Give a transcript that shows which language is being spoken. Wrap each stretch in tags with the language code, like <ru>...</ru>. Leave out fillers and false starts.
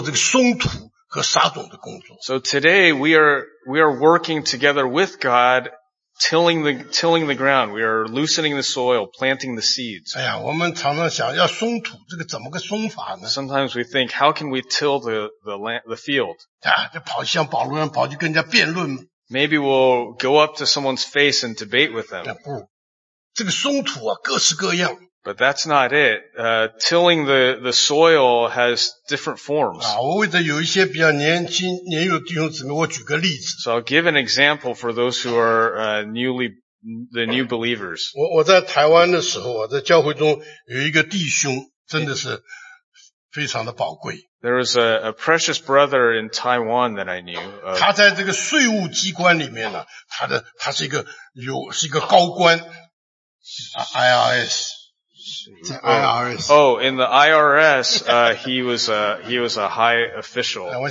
<zh>所以弟兄姊妹,今天我们在教会中与神同工也是一样,你做什么?做这个松土和撒种的工作。</zh> <en>So today we are working together with God, tilling the ground. We are loosening the soil, planting the seeds.</en> <zh>哎呀, 我们常常想要松土, 这个怎么个松法呢?</zh> <en>Sometimes we think, how can we till the field?</en> <zh>啊, 就跑去跟人家辩论。</zh> <en>Maybe we'll go up to someone's face and debate with them.</en> <zh>不, 这个松土啊, 各式各样。</zh> <en>But that's not it. Tilling the soil has different forms.</en> <zh>啊, 我为了有一些比较年轻,年幼的弟兄姊妹, 我举个例子。</zh> <en>So I'll give an example for those who are new believers.</en> <zh>我在台湾的时候, 我在教会中有一个弟兄,真的是非常的宝贵。</zh> <en>There was a precious brother in Taiwan that I knew.</en> <zh>他在这个税务机关里面呢, 他是一个高官, IRS.</zh> <en>Oh, in the IRS, he was a high official.</en>